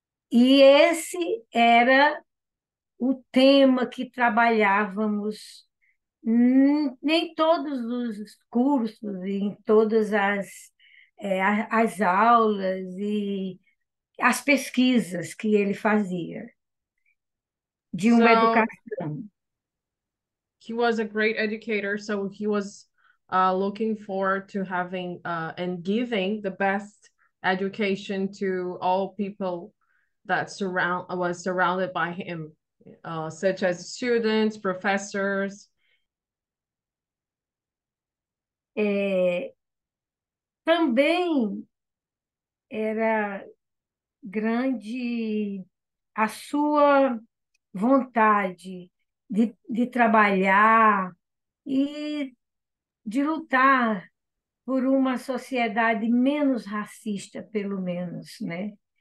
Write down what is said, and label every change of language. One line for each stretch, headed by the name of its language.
Portuguese: E esse era o tema que trabalhávamos em todos os cursos, em todas as aulas e as pesquisas que ele fazia de uma educação.
English: He was a great educator, so he was looking forward to having and giving the best education to all people that was surrounded by him, such as students, professors.
Portuguese: Também era grande a sua vontade de trabalhar e de lutar por uma sociedade menos racista, pelo menos, né?